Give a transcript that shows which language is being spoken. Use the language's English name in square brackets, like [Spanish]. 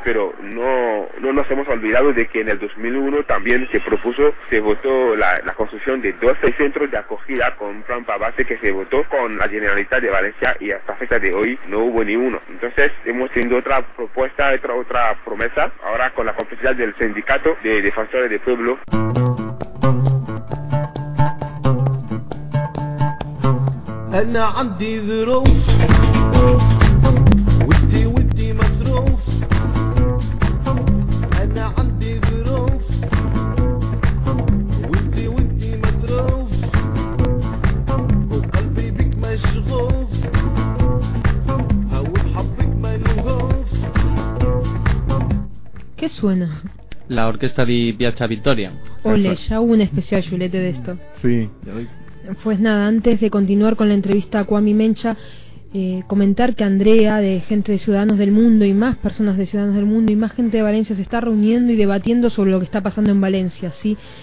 [Spanish] Pero no nos hemos olvidado de que en el 2001 también se votó la construcción de 12 centros de acogida con trampa base, que se votó con la Generalitat de Valencia, y hasta fecha de hoy no hubo ni uno. Entonces hemos tenido otra propuesta, otra promesa, ahora con la complicidad del sindicato de defensores del pueblo. [Arabic] انا عندي ظروف ودي مطروف انا عندي ظروف ودي مطروف وقلبي بك مشغوف هاوي حبك ملهوف كي سوينا [Spanish] La orquesta de Piazza Vittoria. Ole, ya hubo un especial Julete de esto. Sí. Pues nada, antes de continuar con la entrevista a Kwami Mencha, comentar que Andrea, de gente de Ciudadanos del Mundo y más personas de Ciudadanos del Mundo y más gente de Valencia, se está reuniendo y debatiendo sobre lo que está pasando en Valencia, ¿sí?